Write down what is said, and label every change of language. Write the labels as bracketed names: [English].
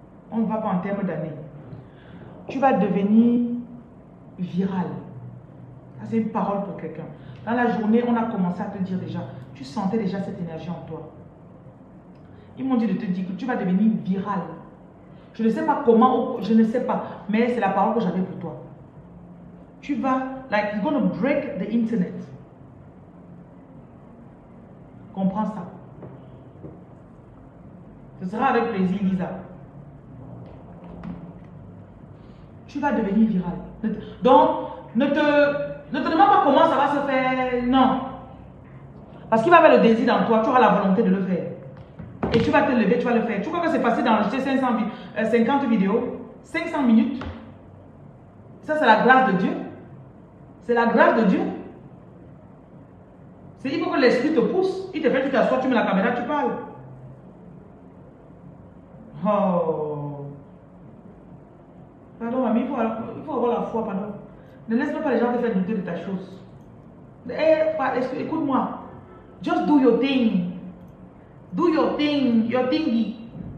[French] On ne va pas en termes d'années. Tu vas devenir viral. Ça, c'est une parole pour quelqu'un. Dans la journée, on a commencé à te dire déjà, tu sentais déjà cette énergie en toi. Ils m'ont dit de te dire que tu vas devenir viral. Je ne sais pas comment, je ne sais pas, mais c'est la parole que j'avais pour toi. Tu vas, [English] like, you're going to break the internet. [French] Comprends ça. Ce sera avec plaisir, Lisa. Tu vas devenir viral. Donc, ne te demande pas comment ça va se faire. Non. Parce qu'il va avoir le désir dans toi, tu auras la volonté de le faire. Et tu vas te lever, tu vas le faire. Tu crois que c'est facile d'enregistrer 50 vidéos, 500 minutes. Ça, c'est la grâce de Dieu. C'est la grâce de Dieu. C'est pour que l'esprit te pousse. Il te fait, tu t'assois, tu mets la caméra, tu parles. Oh. Pardon, mamie, il faut avoir la foi, pardon. Ne laisse pas les gens te faire douter de ta chose. Écoute-moi. [English] Just do your thing. Do your thing, your thingy.